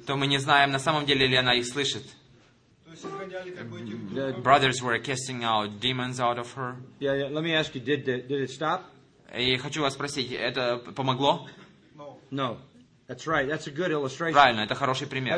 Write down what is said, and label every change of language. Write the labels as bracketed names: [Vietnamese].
[Russian] То мы не знаем на самом деле ли она их слышит. [English] The brothers were casting out demons out of her. Yeah. Let me ask you, did it stop? [Russian] И хочу вас спросить, это помогло? [English] No. That's right. That's a good illustration. [Russian] Правильно, это хороший пример.